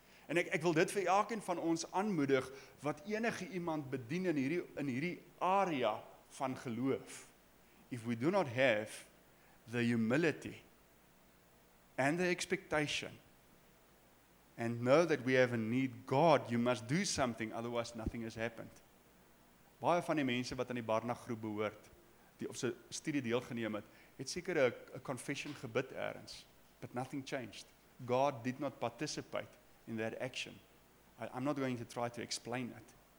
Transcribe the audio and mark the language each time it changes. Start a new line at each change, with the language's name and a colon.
Afrikaans: En ek wil dit vir elkeen van ons aanmoedig wat enige iemand bedien in hierdie area van geloof.
English: If we do not have the humility and the expectation and know that we have a need God, you must do something, otherwise nothing has happened.
Afrikaans: Baie van die mense wat aan die Barna groep behoort, die op sy studie deelgeneem het, het seker 'n confession gebid ergens,
English: but nothing changed. God did not participate in that action. I'm not going to try to explain it.